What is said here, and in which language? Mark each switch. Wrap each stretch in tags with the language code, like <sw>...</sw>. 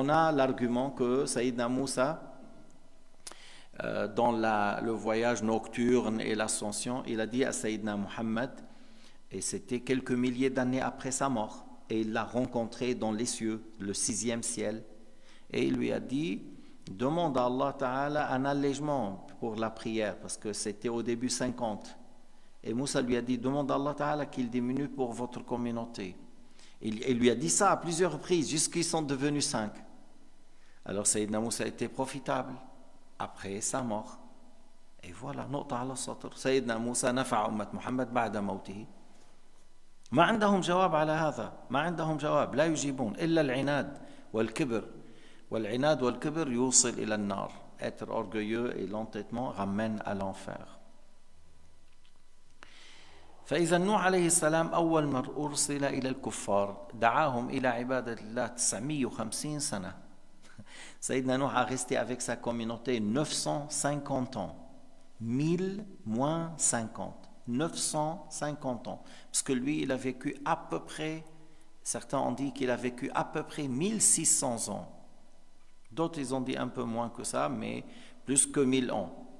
<fr>dit non, il a dit non, il a dit non, il a dit non, dans le voyage nocturne et l'ascension, il a dit à Sayyidina Muhammad, et c'était quelques milliers d'années après sa mort, et il l'a rencontré dans les cieux, le sixième ciel, et il lui a dit, demande à Allah Ta'ala un allègement pour la prière, parce que c'était au début 50, et Moussa lui a dit, demande à Allah Ta'ala qu'il diminue pour votre communauté. Il lui a dit ça à plusieurs reprises, jusqu'ils sont devenus 5. Alors Sayyidina Moussa était profitable après sa mort. Et voilà,</fr> <ar>نقطة على السطر. سيدنا موسى نفع أمة محمد بعد موته. ما عندهم جواب على هذا. ما عندهم جواب. لا يجيبون إلا العناد والكبر. والعناد والكبر يوصل إلى النار.</ar> <fr>Être orgueilleux et l'entêtement ramène à l'enfer.</fr> <ar>فإذا نوح عليه السلام أول من أرسل إلى الكفار دعاهم إلى عبادة الله 950 سنة.</ar> <fr>Sayyidina Nuh a resté avec sa communauté 950 ans. 1000 moins 50. 950 ans. Parce que lui, il a vécu à peu près, certains ont dit qu'il a vécu à peu près 1600 ans. D'autres, ils ont dit un peu moins que ça, mais plus que 1000 ans.</fr>